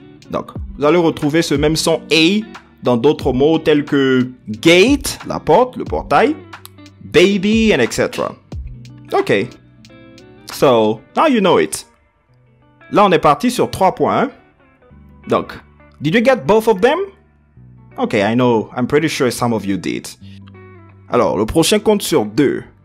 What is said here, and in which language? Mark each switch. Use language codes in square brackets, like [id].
[fr] Donc, vous allez retrouver ce même son A dans d'autres mots tels que gate, la porte, le portail, baby, and etc. OK. [en] So, now you know it. [fr] Là, on est parti sur 3 points. [en] Donc, did you get both of them? OK, I know. I'm pretty sure some of you did. [fr] Alors, le prochain compte sur 2.